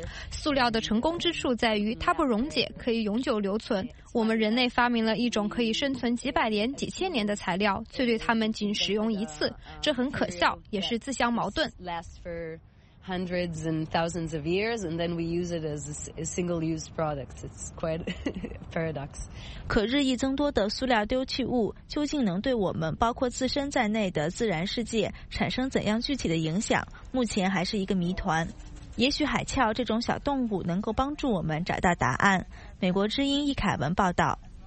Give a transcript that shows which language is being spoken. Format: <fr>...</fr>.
<zh>塑料的成功之处在于它不溶解，可以永久留存。我们人类发明了一种可以生存几百年、几千年的材料，却对它们仅使用一次，这很可笑，也是自相矛盾。</zh> <en>Hundreds and thousands of years, and then we use it as a single-use product. It's quite a paradox.</en> <zh>可日益增多的塑料丢弃物究竟能对我们，包括自身在内的自然世界产生怎样具体的影响？目前还是一个谜团。也许海鞘这种小动物能够帮助我们找到答案。美国之音易凯文报道。</zh>